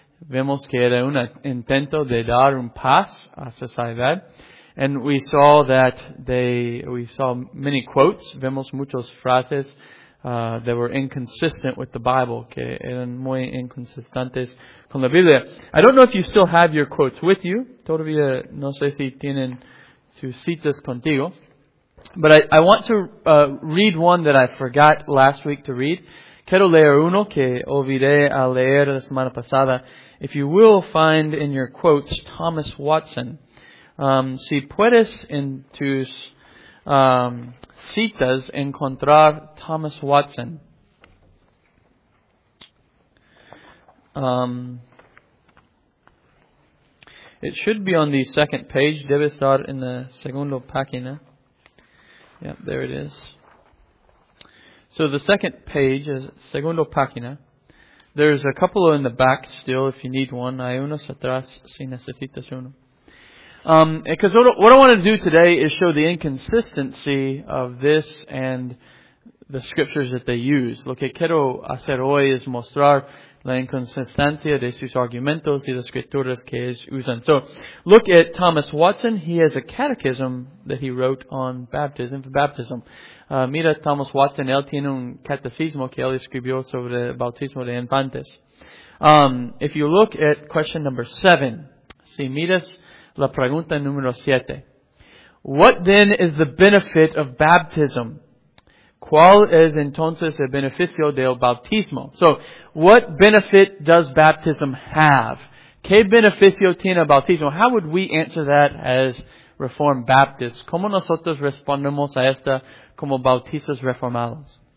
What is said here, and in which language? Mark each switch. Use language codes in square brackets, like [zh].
[es] Vemos que era un intento de dar un paz a sociedad. [en] And we saw that we saw many quotes. [es] Vemos muchos frases [en] that were inconsistent with the Bible, [es] que eran muy inconsistentes con la Biblia. [en] I don't know if you still have your quotes with you. [es] Todavía no sé si tienen sus citas contigo. [en] But I want to read one that I forgot last week to read. [es] Quiero leer uno que olvidé a leer la semana pasada. [en] If you will find in your quotes Thomas Watson. [es] Si puedes en tus citas encontrar Thomas Watson. [en] It should be on the second page. [es] Debe estar en la segunda página. [en] Yeah, there it is. So the second page is segunda página. There's a couple in the back still if you need one. [es] Hay unos atrás si necesitas uno. [en] Because what I want to do today is show the inconsistency of this and the scriptures that they use. [es] Lo que quiero hacer hoy es mostrar la inconsistencia de sus argumentos y las escrituras que ellos usan. [en] So, look at Thomas Watson. He has a catechism that he wrote on baptism, for baptism. [es] Mira Thomas Watson, él tiene un catecismo que él escribió sobre el bautismo de infantes. [en] If you look at question number 7, [es] si miras la pregunta número 7. [en] What then is the benefit of baptism? [es] ¿Cuál es entonces el beneficio del bautismo? [en] So, what benefit does baptism have? [es] ¿Qué beneficio tiene el bautismo? [en] How would we answer that as Reformed Baptists? [es] ¿Cómo nosotros respondemos a esta como bautistas reformados?